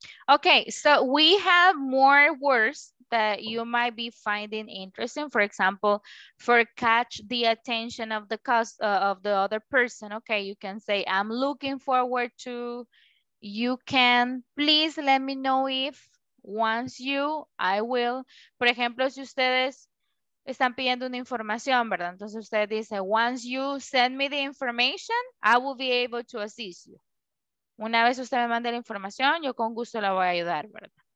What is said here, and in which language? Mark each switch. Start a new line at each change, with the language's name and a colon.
English: Okay, so we have more words that you might be finding interesting. For example, for catch the attention of the other person. Okay, you can say, I'm looking forward to, you can, please let me know if, once you, I will.
Spanish: Por ejemplo, si ustedes están pidiendo una información, ¿verdad? Entonces usted dice,
English: once you send me the information, I will be able to assist you.
Spanish: Una vez usted me mande la información, yo con gusto la voy a ayudar, ¿verdad?